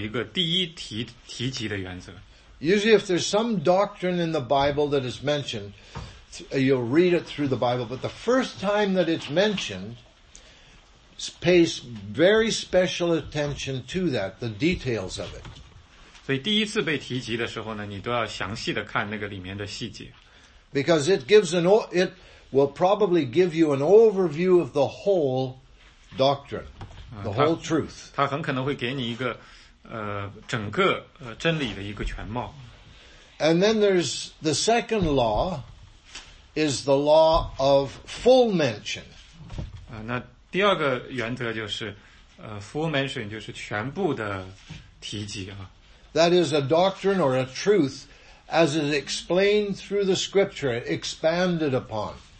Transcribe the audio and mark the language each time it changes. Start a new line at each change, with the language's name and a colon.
Chinese: 在任何的圣经的真理里面呢，或者教义里面呢，都会有一个第一提及的原则。
English: Usually if there's some doctrine in the Bible that is mentioned, you'll read it through the Bible, but the first time that it's mentioned, pays very special attention to that, the details of it.
Chinese: 所以第一次被提及的时候呢，你都要详细的看那个里面的细节。
English: Because it will probably give you an overview of the whole doctrine, the whole truth.
Chinese: 它很可能会给你一个整个真理的一个全貌。
English: And then there's the second law, is the law of full mention.
Chinese: 那第二个原则就是
English: full mention
Chinese: 就是全部的提及啊。
English: That is a doctrine or a truth as is explained through the scripture, expanded upon.